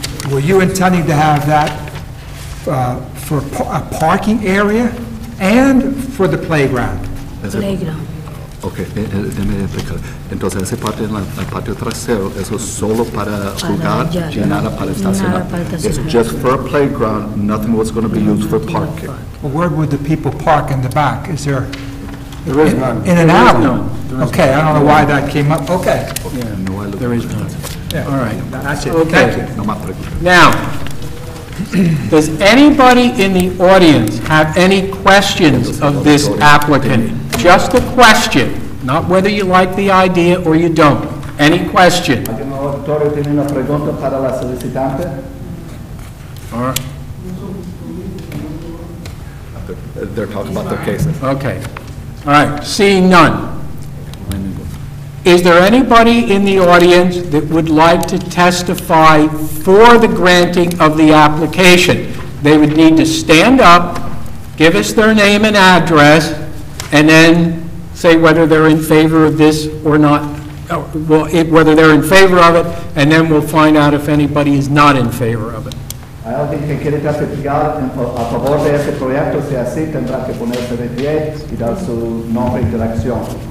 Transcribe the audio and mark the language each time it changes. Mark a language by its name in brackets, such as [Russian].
[English] Were you intending to have that for a parking area and for the playground? Playground. [Spanish] Okay, déme explicar. Entonces, esa parte en el patio trasero, eso es solo para jugar y nada para estacionar. [English] It's just for a playground, nothing was going to be used for parking. Where would the people park in the back? Is there? There is none. In and out? Okay, I don't know why that came up. Okay. There is none. All right, that's it. Thank you. Now, does anybody in the audience have any questions of this applicant? Just a question, not whether you like the idea or you don't. Any question? They're talking about their cases. Okay. All right, seeing none. Is there anybody in the audience that would like to testify for the granting of the application? They would need to stand up, give us their name and address, and then say whether they're in favor of this or not, whether they're in favor of it, and then we'll find out if anybody is not in favor of it. [Spanish] Hay alguien que quiere testificar a favor de este proyecto, si así tendrá que ponerse de pie y dar su nombre y dirección.